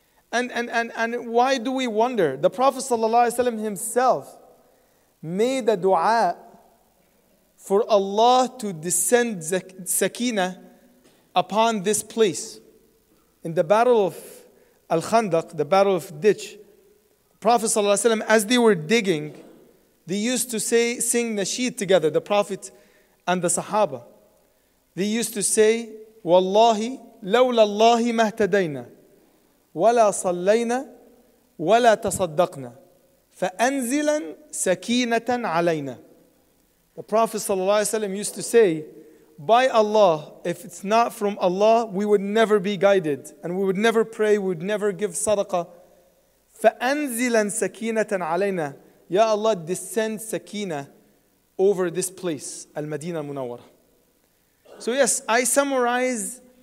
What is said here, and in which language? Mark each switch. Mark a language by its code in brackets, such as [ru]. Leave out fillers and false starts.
[en] And why do we wonder? The Prophet ﷺ himself made a dua for Allah to descend sakina upon this place. In the battle of Al-Khandaq, the battle of Ditch, Prophet ﷺ, as they were digging, they used to sing nasheed together, the Prophet and the Sahaba. They used to say, [ar] Wallahi, لولا الله ما اهتدينا ولا صلينا ولا تصدقنا فأنزلا سكينة علينا. [en] The Prophet sallallahu alaihi wasallam used to say, by Allah, if it's not from Allah, we would never be guided and we would never pray, we would never give sadaqah. [ar] فأنزلا سكينة علينا. [en] Ya Allah, descend sakina over this place, Al-Madinah Al-Munawwarah. So yes, I summarize